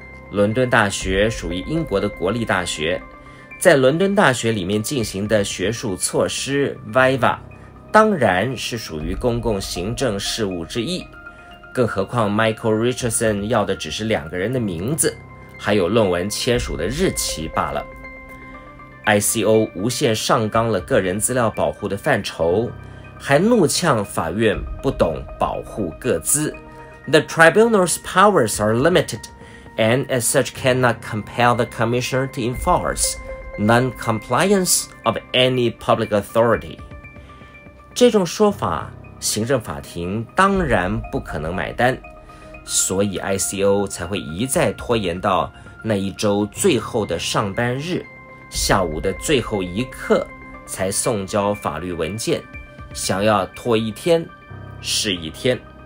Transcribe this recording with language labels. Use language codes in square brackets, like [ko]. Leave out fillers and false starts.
[zh] 伦敦大学属于英国的国立大学，在伦敦大学里面进行的学术措施 VIVA 当然是属于公共行政事务之一，更何况 Michael Richardson 要的只是两个人的名字还有论文签署的日期罢了。 ICO 无限上纲了个人资料保护的范畴，还怒呛法院不懂保护个资。 [en] The tribunal's powers are limited and as such cannot compel the commissioner to enforce non-compliance of any public authority。 [zh] 这种说法行政法庭当然不可能买单，所以 ICO 才会一再拖延到那一周最后的上班日下午的最后一刻才送交法律文件，想要拖一天是一天。